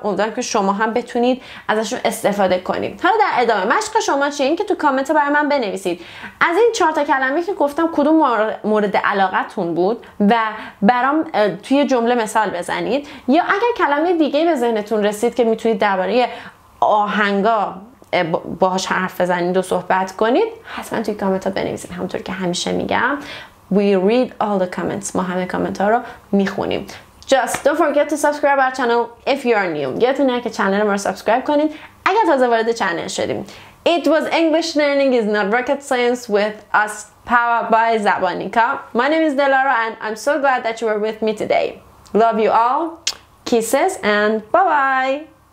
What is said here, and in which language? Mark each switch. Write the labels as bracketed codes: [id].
[fa] امیدوارم که شما هم بتونید ازشون استفاده کنید. حالا در ادامه مشق شما چیه؟ این که تو کامنت برای من بنویسید از این 4 تا کلمه که گفتم کدوم مورد علاقتون بود و برام توی جمله مثال بزنید، یا اگر کلمه دیگه به ذهنتون رسید که میتونید درباره آهنگا باهاش حرف بزنید و صحبت کنید، حتما توی کامنت ها بنویسید. همونطور که همیشه میگم [en] we read all the comments، [fa] ما همه کامنت ها رو میخونیم. [en] Just don't forget to subscribe our channel if you are new. [fa] یادتون نره که چنل ما رو سابسکرایب کنید اگر تازه وارد چنل شدیم. [en] It was English learning is not rocket science with us powered by Zabanika. My name is Delara and I'm so glad that you were with me today. Love you all. Kisses and bye bye.